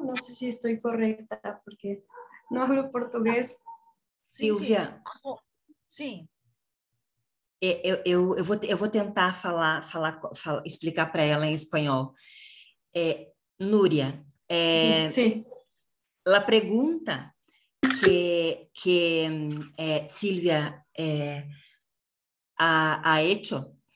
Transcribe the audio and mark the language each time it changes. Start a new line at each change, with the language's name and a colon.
Spanish: No sé si estoy correcta porque no hablo portugués. Silvia. Sí.
Portuguese: Eu vou tentar falar explicar para ela em espanhol. Núria, sim.
Spanish: La pregunta que Silvia ha hecho,